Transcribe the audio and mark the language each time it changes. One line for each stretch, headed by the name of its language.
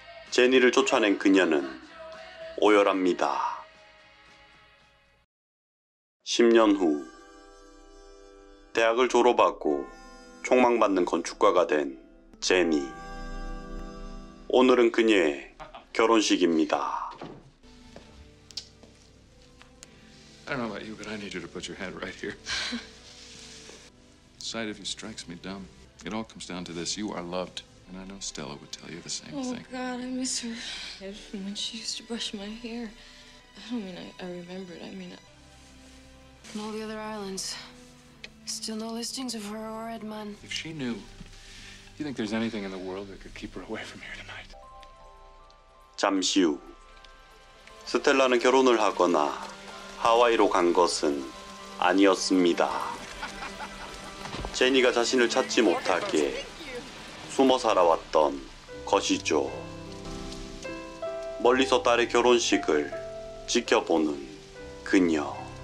Korean: 제니를 쫓아낸 그녀는 오열합니다. 10년 후 대학을 졸업하고 촉망받는 건축가가 된 제니. 오늘은 그녀의 결혼식입니다.
English: I don't know about you, but I need you to put your head right here. Sight of you strikes me dumb. It all comes down to this. You are loved, and I know Stella would tell you the same thing. Oh, God, I miss her. From when she used to brush my hair. I don't mean I remember it. I mean, from all the other islands. Still no listings of her or Edmund. If she knew, do you think there's anything in the world that could keep her away from here tonight?
Korean: 잠시 후. 스텔라는 결혼을 하거나 하와이로 간 것은 아니었습니다. 제니가 자신을 찾지 못하게 숨어 살아왔던 것이죠. 멀리서 딸의 결혼식을 지켜보는 그녀.